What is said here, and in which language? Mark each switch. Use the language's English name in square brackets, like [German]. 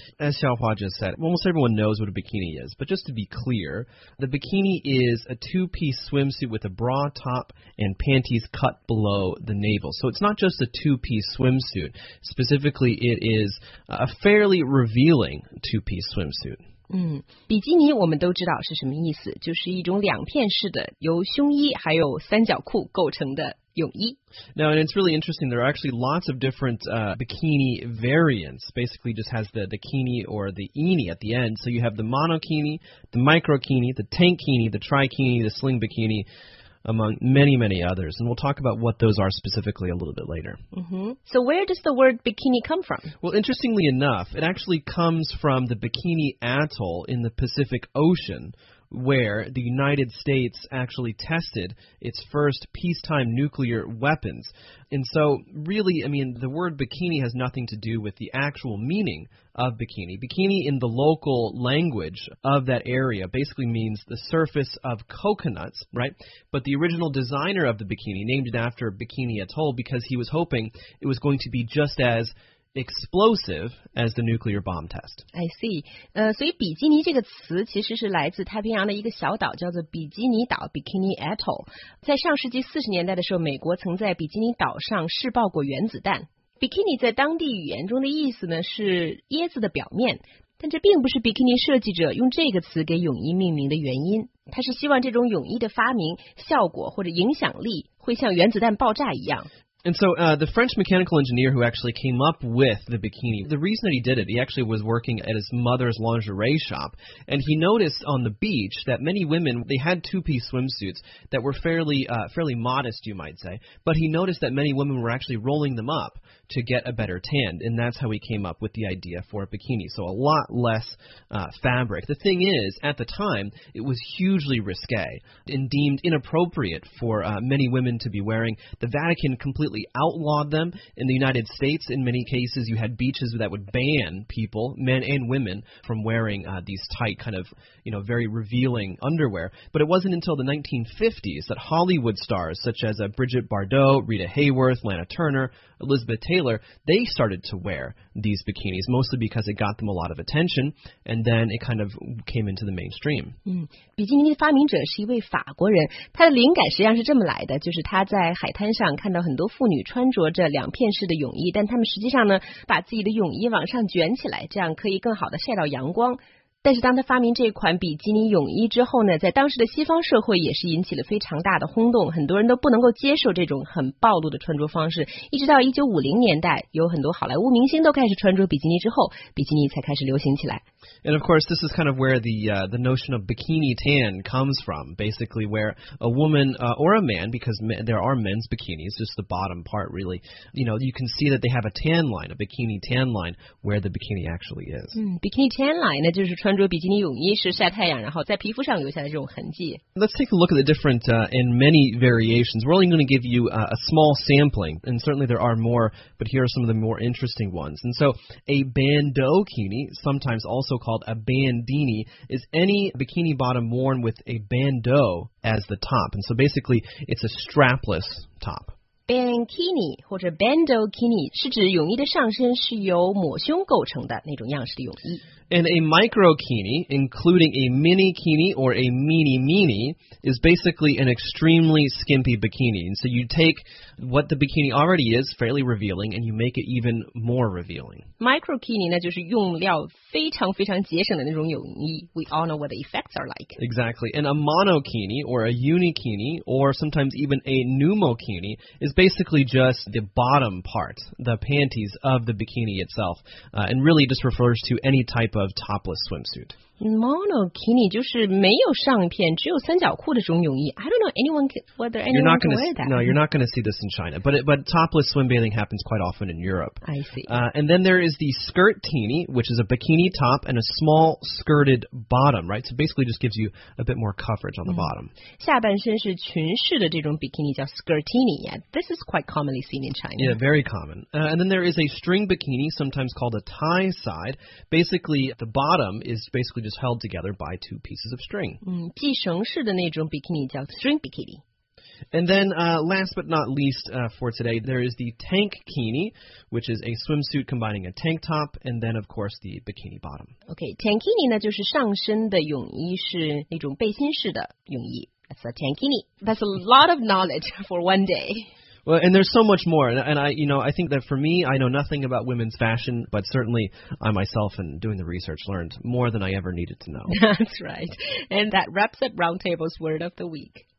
[English] As Xiaohua just said, almost everyone knows what a bikini is. But just to be clear, the bikini is a two-piece swimsuit with a bra top and panties cut below the navel. So it's not just a two-piece swimsuit. Specifically, it is a fairly revealing two-piece swimsuit. [Chinese] 比基尼我们都知道是什么意思，就是一种两片式的由胸衣还有三角裤构成的泳衣。 [English] Now, and it's really interesting, there are actually lots of different bikini variants, basically just has the kini or the ini at the end. So you have the monokini, the microkini, the tankini, the trikini, the sling bikini, among many, many others. And we'll talk about what those are specifically a little bit later. Mm-hmm. So where does the word bikini come from? Well, interestingly enough, it actually comes from the Bikini Atoll in the Pacific Ocean, where the United States actually tested its first peacetime nuclear weapons. And so, really, I mean, the word bikini has nothing to do with the actual meaning of bikini. Bikini in the local language of that area basically means the surface of coconuts, right? But the original designer of the bikini named it after Bikini Atoll because he was hoping it was going to be just as... explosive as the nuclear bomb test. I see. [Chinese] 所以比基尼这个词其实是来自太平洋的一个小岛，叫做比基尼岛 （Bikini Atoll）。在上世纪40年代的时候，美国曾在比基尼岛上试爆过原子弹。 Bikini 在当地语言中的意思呢是椰子的表面，但这并不是 Bikini 设计者用这个词给泳衣命名的原因。他是希望这种泳衣的发明效果或者影响力会像原子弹爆炸一样。 [English] And so, the French mechanical engineer who actually came up with the bikini, the reason that he did it, he actually was working at his mother's lingerie shop, and he noticed on the beach that many women, they had two-piece swimsuits that were fairly modest, you might say, but he noticed that many women were actually rolling them up to get a better tan, and that's how he came up with the idea for a bikini, so a lot less fabric. The thing is, at the time, it was hugely risque and deemed inappropriate for many women to be wearing. The Vatican completely outlawed them. In the United States, in many cases, you had beaches that would ban people, men and women, from wearing these tight, kind of, you know, very revealing underwear. But it wasn't until the 1950s that Hollywood stars such as Bridget Bardot, Rita Hayworth, Lana Turner, Elizabeth Taylor, they started to wear these bikinis, mostly because it got them a lot of attention, and then it kind of came into the mainstream. [Chinese] 比基尼的发明者是一位法国人，他的灵感实际上是这么来的，就是他在海滩上看到很多妇女穿着着两片式的泳衣，但她们实际上呢，把自己的泳衣往上卷起来，这样可以更好的晒到阳光。但是当他发明这款比基尼泳衣之后呢，在当时的西方社会也是引起了非常大的轰动，很多人都不能够接受这种很暴露的穿着方式。一直到1950年代，有很多好莱坞明星都开始穿着比基尼之后，比基尼才开始流行起来。 [English] And of course, this is kind of where the notion of bikini tan comes from. Basically, where a woman or a man, because there are men's bikinis, just the bottom part really, you know, you can see that they have a tan line, a bikini tan line, where the bikini actually is. [Chinese] Bikini tan line 呢，就是穿着比基尼泳衣是晒太阳，然后在皮肤上留下的这种痕迹。 [English] Let's take a look at the different and many variations. We're only going to give you a small sampling, and certainly there are more, but here are some of the more interesting ones. And so a bandeaukini, sometimes also called a bandini, is any bikini bottom worn with a bandeau as the top. And so basically, it's a strapless top. [Chinese] Bikini 或者 bandeaukini 是指泳衣的上身是由抹胸构成的那种样式的泳衣。 [English] And a microkini, including a minikini or a mini-mini, is basically an extremely skimpy bikini. And so you take what the bikini already is, fairly revealing, and you make it even more revealing. [Chinese] Microkini 呢就是用料非常非常节省的那种泳衣。 [English] We all know what the effects are like. Exactly. And a monokini or a unikini or sometimes even a pneumokini is basically just the bottom part, the panties of the bikini itself, and really just refers to any type of topless swimsuit. [Chinese] Monokini 就是没有上片，只有三角裤的这种泳衣。 [English] I don't know whether anyone can wear that. No, you're not going to see this in China. But topless swim bathing happens quite often in Europe. I see. And then there is the skirtini, which is a bikini top and a small skirted bottom, right? So basically just gives you a bit more coverage on the bottom. [Chinese] 下半身是裙式的这种 bikini 叫 skirtini, yeah. [English] This is quite commonly seen in China. Yeah, very common. And then there is a string bikini, sometimes called a tie side. Basically, the bottom is basically which is held together by two pieces of string. [Chinese] 系绳式的那种 bikini 叫 string bikini。 [English] And then, last but not least, for today, there is the tankini, which is a swimsuit combining a tank top, and then, of course, the bikini bottom. [Chinese] Okay, tankini 呢就是上身的泳衣，是那种背心式的泳衣。 [English] That's a tankini. That's a lot of knowledge for one day. Well, and there's so much more, and I, you know, I think that for me, I know nothing about women's fashion, but certainly I myself, in doing the research, learned more than I ever needed to know. That's right. And that wraps up Roundtable's Word of the Week.